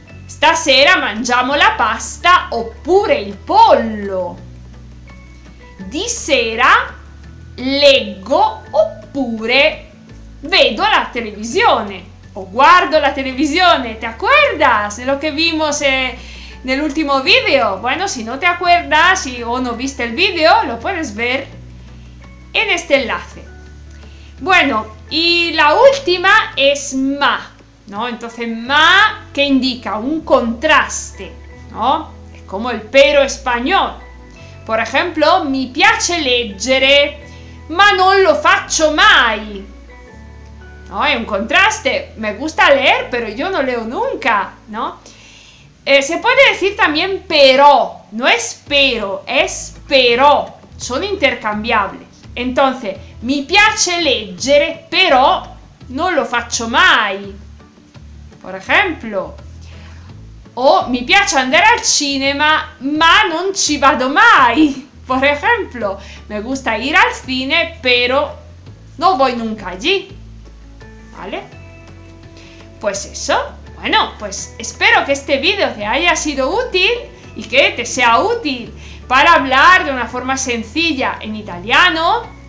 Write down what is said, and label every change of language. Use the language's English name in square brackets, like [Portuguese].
[Italian] Stasera mangiamo la pasta oppure il pollo. Di sera leggo oppure vedo la televisione o guardo la televisione. [Spanish] ¿Te acuerdas de lo que vimos nel ultimo video? Bueno, si no te acuerdas o no viste el video, lo puedes ver en este enlace. Bueno, y la última es ma, ¿no? Entonces ma, que indica un contraste, ¿no? Es como el pero español. Por ejemplo, [Italian] mi piace leggere, ma non lo faccio mai. [Spanish] ¿No? Es un contraste, me gusta leer, pero yo no leo nunca, ¿no? Se puede decir también pero, no es pero, es pero, son intercambiables. Entonces, [Italian] Mi piace leggere, però non lo faccio mai. Per esempio. O mi piace andare al cinema, ma non ci vado mai. Per esempio, [Spanish] me gusta ir al cine, pero no voy nunca allí. ¿Vale? Pues eso. Bueno, pues espero que este video te haya sido útil y que te sea útil para hablar de una forma sencilla en italiano.